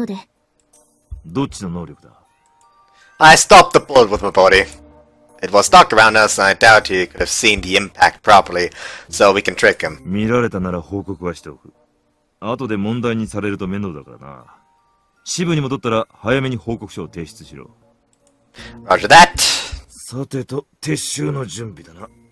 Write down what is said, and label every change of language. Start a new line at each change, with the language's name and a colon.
Japanese: もし見られたなら、工作班に連絡しなきゃならん。すみません。相手がいきなり発砲してきたもので。どっちの能力だ?
English: I stopped the bullet with my body. It was dark around us, and I doubt he could have seen the impact properly, so we can trick him.
Japanese: 見られたなら報告はしておく。後で問題にされると面倒だからな。支部に戻ったら早めに報告書を提出しろ。
English: Roger that!
Japanese: さてと、撤収の準備だな。